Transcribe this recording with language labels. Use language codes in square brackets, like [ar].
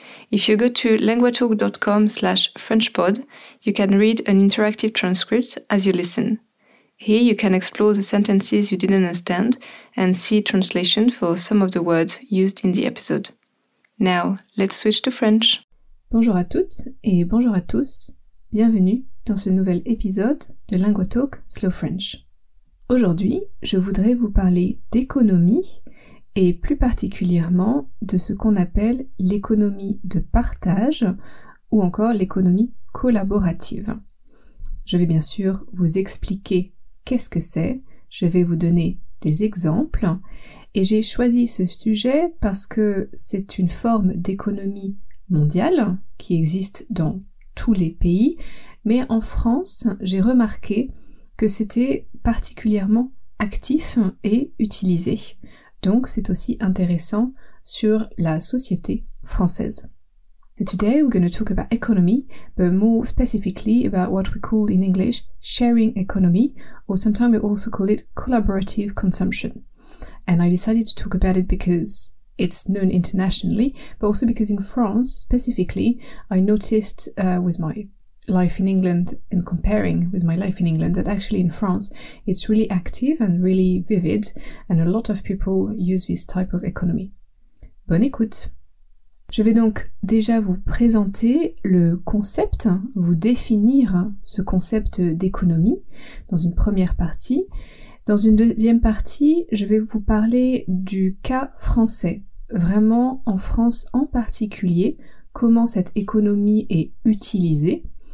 [en] If you go to languagetalk.com/frenchpod, you can read an interactive transcript as you listen. Here you can explore the sentences you didn't understand and see translation for some of the words used in the episode. Now, let's switch to French. [fr] Bonjour à toutes et bonjour à tous. Bienvenue dans ce nouvel épisode de Lingua Talk Slow French. Aujourd'hui, je voudrais vous parler d'économie et plus particulièrement de ce qu'on appelle l'économie de partage ou encore l'économie collaborative. Je vais bien sûr vous expliquer qu'est-ce que c'est, je vais vous donner des exemples et j'ai choisi ce sujet parce que c'est une forme d'économie mondiale qui existe dans tous les pays. Mais en France, j'ai remarqué que c'était particulièrement actif et utilisé. Donc c'est aussi intéressant sur la société française. [en] So today we're going to talk about economy, but more specifically about what we call in English sharing economy, or sometimes we also call it collaborative consumption. And I decided to talk about it because it's known internationally, but also because in France specifically, I noticed with my life in England and comparing with my life in England that actually in France it's really active and really vivid and a lot of people use this type of economy. [fr] Bonne écoute! Je vais donc déjà vous présenter le concept, vous définir ce concept d'économie dans une première partie. Dans une deuxième partie, je vais vous parler du cas français, vraiment en France en particulier, comment cette économie est utilisée.